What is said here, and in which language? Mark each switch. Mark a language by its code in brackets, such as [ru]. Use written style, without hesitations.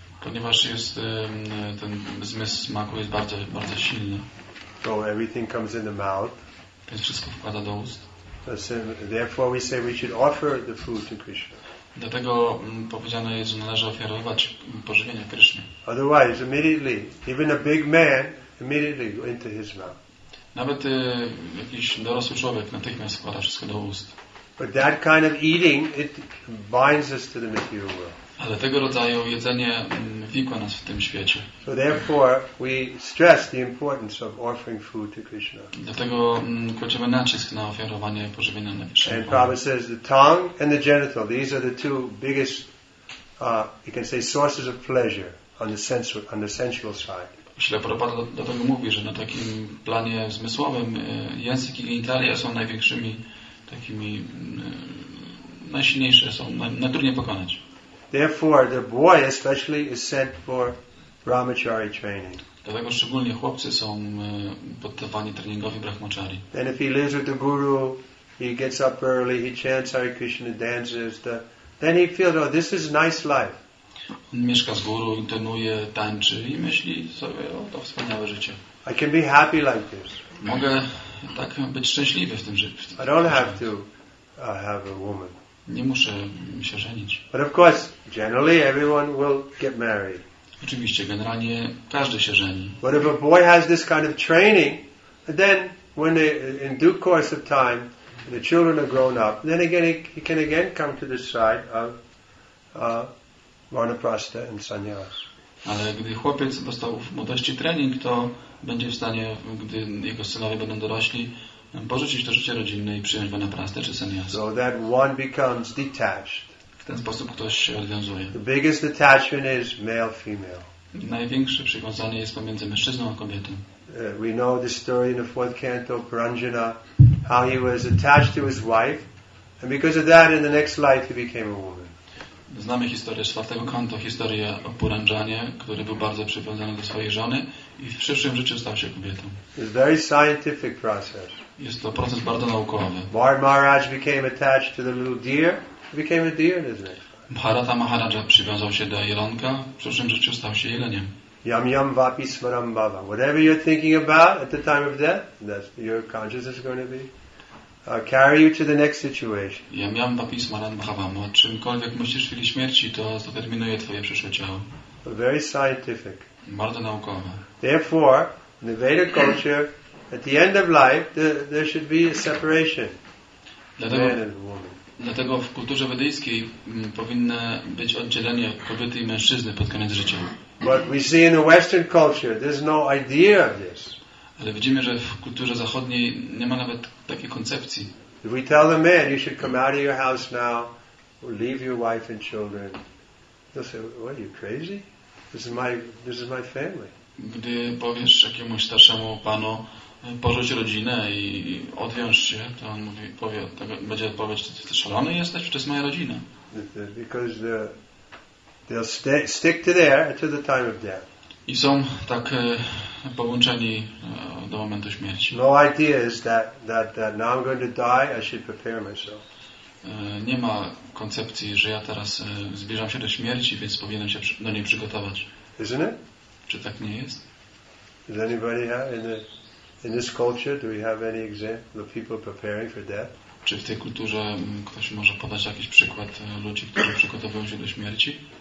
[pl] Ponieważ jest ten zmysł smaku jest bardzo, bardzo silny. [en] So everything comes in the mouth. [pl] Więc wszystko wkłada do ust. [en] Therefore we say we should offer the food to Krishna. [pl] Dlatego powiedziane jest, że należy ofiarować pożywienie Krishna. [en] Otherwise, immediately, even a big man immediately go into his mouth. [pl] Nawet jakiś dorosły człowiek natychmiast wkłada wszystko do ust. [en] But that kind of eating, it binds us to the material world. [pl] Ale tego rodzaju jedzenie wikła nas w tym świecie. [en] So therefore we stress the importance of offering food to Krishna. [pl] Dlatego kładziemy nacisk na ofiarowanie pożywienia na Krishna. [en] And Prabhupada says the tongue and the genital, these are the two biggest, you can say, sources of pleasure on the sensual side. [pl] Śle Prabhupada do tego mówi, że na takim planie zmysłowym język i genitalia są największymi takimi najsilniejsze są, najtrudniej pokonać. [en] Therefore, the boy especially is sent for brahmachari training. [pl] Dlatego szczególnie chłopcy są poddawani treningowi brahmachari. [en] And if he lives with the guru, he gets up early, he chants Hare Krishna, dances. Then he feels, oh, this is nice life. [pl] On mieszka z guru, intonuje, tańczy i myśli sobie, o, to wspaniałe życie. [en] I can be happy like this. [pl] Mogę tak być szczęśliwy w tym życiu. [en] I don't have to have a woman. [pl] Nie muszę się żenić. [en] But of course, generally everyone will get married. [pl] Oczywiście, generalnie każdy się żeni. [en] But if a boy has this kind of training, then when they, in due course of time, the children are grown up, then again he can again come to the side of vanaprastha and sannyas. [pl] Ale gdy chłopiec dostał w młodości trening, to będzie w stanie, gdy jego synowie będą dorośli, porzucić to życie rodzinne i przyjąć vanaprastę czy sannyas. [en] So that one becomes detached. [pl] W ten sposób ktoś się odwiązuje. [en] The biggest detachment is male-female. [pl] Największe przywiązanie jest pomiędzy mężczyzną a kobietą. [en] We know the story in the fourth canto, Paranjana, how he was attached to his wife, and because of that, in the next life, he became a woman. [pl] Znamy historię z czwartego kanto, historię o Puranjanie, który był bardzo przywiązany do swojej żony i w przyszłym życiu stał się kobietą. [en] It's very scientific process. [pl] Jest to proces bardzo naukowy. [en] Maharaj became attached to the little deer, became a deer in his next life. [pl] Bharata Maharaja przywiązał się do jelonka, w przyszłym życiu stał się jeleniem. [sa] Yam yam vapi smaram bhava. [en] Whatever you're thinking about at the time of death, that's your consciousness is going to be. Carry you to the next situation. [pl] Ja miałem napis Maranbhavam. O czymkolwiek myślisz w chwili śmierci, to zdeterminuje twoje przyszłe ciało. [en] Very scientific. [pl] Bardzo naukowe. [en] Therefore, in the Vedic culture, at the end of life, there should be a separation. [pl] Dlatego, [en] man and woman. [pl] Dlatego w kulturze wedyjskiej powinno być oddzielenie kobiety i mężczyzny pod koniec życia. [en] But we see in the Western culture, there's no idea of this. [pl] Ale widzimy, że w kulturze zachodniej nie ma nawet takiej koncepcji. [en] If we tell the man, you should come out of your house now, leave your wife and children, they'll say, what, are you crazy? This is my family. [pl] Gdy powiesz jakiemuś starszemu panu, porzuć rodzinę i odwiąż się, to on mówi, powie, to będzie odpowiedź, czy ty szalony jesteś, czy to jest moja rodzina? [en] Because they'll stick to there until the time of death. [pl] I są tak połączeni do momentu śmierci. [en] No idea is that now I'm going to die, I should prepare myself. [pl] Nie ma koncepcji, że ja teraz zbliżam się do śmierci, więc powinienem się do niej przygotować. [en] Isn't it? [pl] Czy tak nie jest? [en] Does anybody have in this culture, do we have any example of people preparing for death? [pl] Czy w tej kulturze ktoś może podać jakiś przykład ludzi, którzy przygotowują się do śmierci?